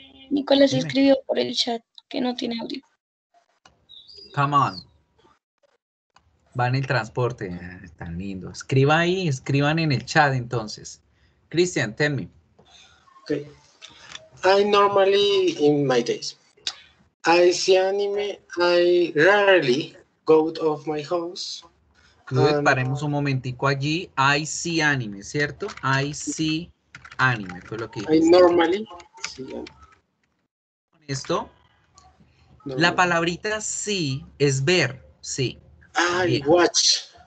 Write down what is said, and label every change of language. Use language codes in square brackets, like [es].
[es] Nicolás escribió por el chat que no tiene audio. [en] Come on. [es] Va en el transporte. Tan lindo. Escriba ahí, escriban en el chat entonces. [en] Cristian, tell me. Okay. I normally, in my days, I see anime, I rarely go out of my house. [es] Entonces, paremos un momentico allí. [en] I see anime, [es] ¿cierto? [en] I see anime, [es] fue lo que dije. [en] I normally see [es] anime. Esto. No, la palabrita sí es ver, sí. Ay, bien. Watch.